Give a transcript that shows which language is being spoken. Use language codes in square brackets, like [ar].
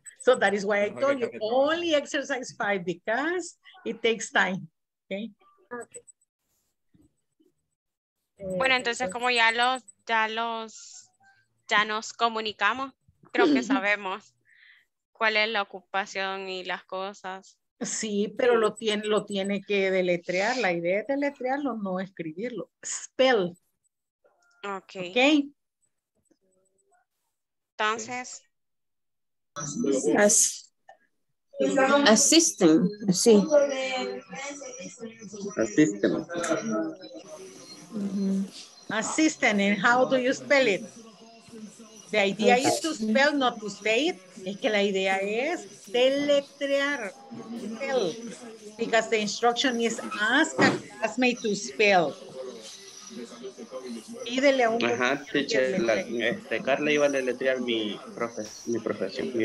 [en] So that is why I told you only exercise 5 because it takes time, okay? [es] Bueno, entonces como ya nos comunicamos, creo que sabemos cuál es la ocupación y las cosas. Sí, pero lo tiene que deletrear. La idea es deletrearlo, no escribirlo. Spell. Ok. Ok. Entonces. [en] Assistant. Sí. Assistant. Assistant, and how do you spell it? The idea is to spell, not to say it. [es] Es que la idea es deletrear. [en] Spell. Because the instruction is ask a classmate to spell. [es] Pídele a un. Ajá, teacher, Carla iba a deletrear mi profesión.